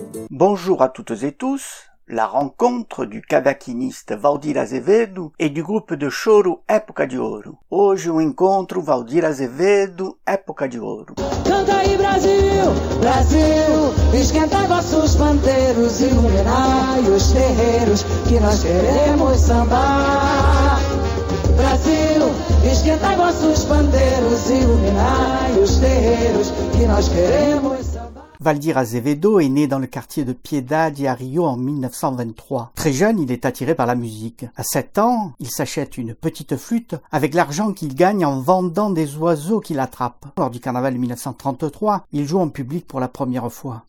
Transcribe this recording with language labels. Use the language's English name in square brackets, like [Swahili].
[French] Bonjour à toutes et tous, la rencontre du cavaquiniste Valdir Azevedo et du groupe de choro Época de Ouro. [Portuguese] Hoje um encontro Valdir Azevedo, Época de Ouro. Canta aí Brasil, Brasil, esquenta vossos pandeiros, iluminai os terreiros que nós queremos sambar. Brasil, esquenta vossos pandeiros, iluminai os terreiros que nós queremos. [French] Valdir Azevedo est né dans le quartier de Piedade à Rio en 1923. Très jeune, il est attiré par la musique. À 7 ans, il s'achète une petite flûte avec l'argent qu'il gagne en vendant des oiseaux qu'il attrape. Lors du carnaval de 1933, il joue en public pour la première fois.